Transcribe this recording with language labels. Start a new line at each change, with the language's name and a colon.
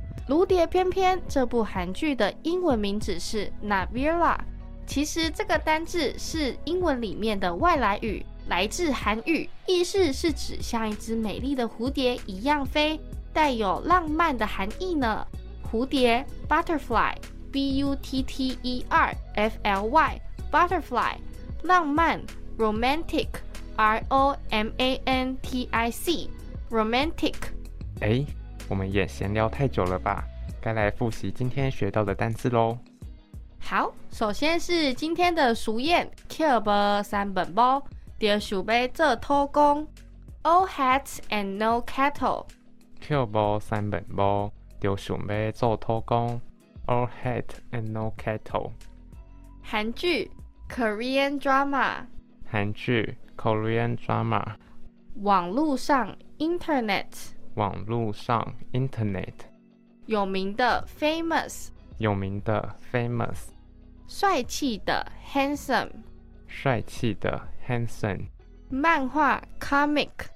Chinese: 如蝶翩翩这部韩剧的英文名字是 Navira， 其实这个单字是英文里面的外来语，来自韩语，意思是指像一只美丽的蝴蝶一样飞，带有浪漫的含义呢。
English: 蝴蝶 butterfly， B-U-T-T-E-R-F-L-Y， butterfly， 浪漫 romantic， R-O-M-A-N-T-I-C Romantic。
Chinese: 诶，我们也闲聊太久了吧，该来复习今天学到的单字咯。好，首先是今天的俗谚，抾无三门墓，就想要做土公。
English: All hats and no cattle。
Chinese: 抾无三门墓，就想要做土公。
English: All hats and no cattle。韩剧 Korean drama。韩剧 Korean drama。网路上 Internet。网路上 Internet。有名的 Famous。有名的 famous。帅气的 handsome。帅气的 handsome。漫画 comic。